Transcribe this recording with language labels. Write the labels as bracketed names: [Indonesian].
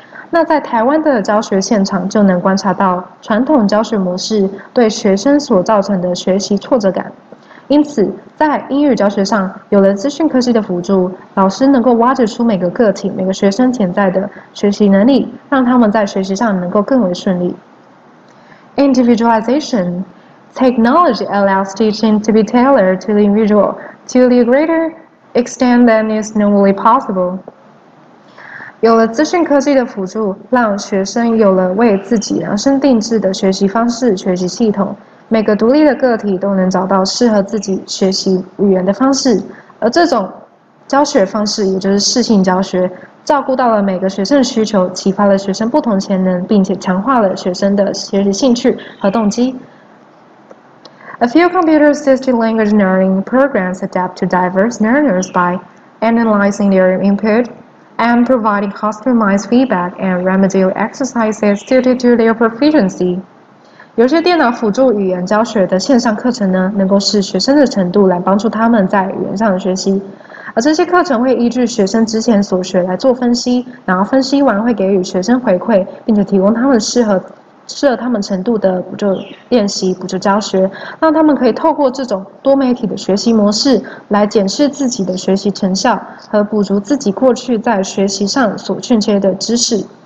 [Chinese] 那在台湾的教学现场就能观察到传统教学模式对学生所造成的学习挫折感。因此在英语教学上，有了资讯科技的辅助，老师能够挖掘出每个个体每个学生潜在的学习能力，让他们在学习上能够更为顺利。 [English] Individualization. Technology allows teaching to be tailored to the individual to the greater extent than is normally possible. [Chinese] 有了资讯科技的辅助，让学生有了为自己量身定制的学习方式、学习系统，每个独立的个体都能找到适合自己学习语言的方式，而这种教学方式也就是适性教学，照顾到了每个学生的需求，启发了学生不同潜能，并且强化了学生的学习兴趣和动机。 [English] A few computer-assisted language learning programs adapt to diverse learners by analyzing their input and providing customized feedback and remedial exercises suited to their proficiency. [Chinese] 有些电脑辅助语言教学的线上课程呢，能够视学生的程度来帮助他们在语言上的学习，而这些课程会依据学生之前所学来做分析，然后分析完会给予学生回馈，并且提供他们适合他们程度的补救练习、补救教学，让他们可以透过这种多媒体的学习模式来检视自己的学习成效和补足自己过去在学习上所欠缺的知识。